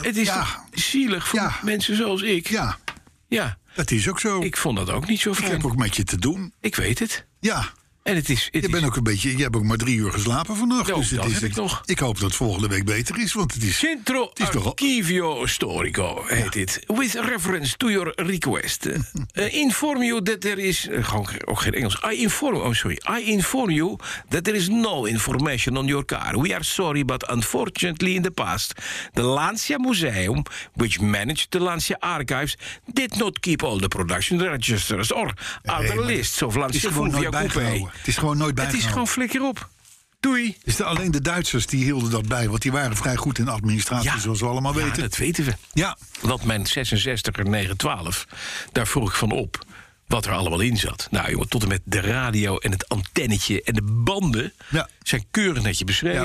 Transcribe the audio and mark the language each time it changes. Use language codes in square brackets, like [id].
[nl] Het is zielig voor mensen zoals ik. Ja. Ja. Dat is ook zo. Ik vond dat ook niet zo fijn. Ik heb ook met je te doen. Ik weet het. Ja. En het is. Je bent ook een beetje. Je hebt ook maar 3 uur geslapen vannacht. Dus dat heb ik toch. Ik hoop dat het volgende week beter is, want het is. Centro Archivio Storico heet dit. [en] With reference to your request. Inform you that there is. [nl] Gewoon ook geen Engels. [en] I inform you that there is no information on your car. We are sorry, but unfortunately in the past, the Lancia Museum, which managed the Lancia Archives, did not keep all the production registers or other lists of Lancia Fulvia Coupé. [nl] Het is gewoon nooit bijgehouden. Het is gewoon flikker op. Doei. Is het alleen de Duitsers die hielden dat bij? Want die waren vrij goed in administratie, zoals we allemaal weten. Ja, dat weten we. Ja. Want mijn 66er 912, daar vroeg ik van op wat er allemaal in zat. Nou jongen, tot en met de radio en het antennetje en de banden zijn keurig netjes beschreven.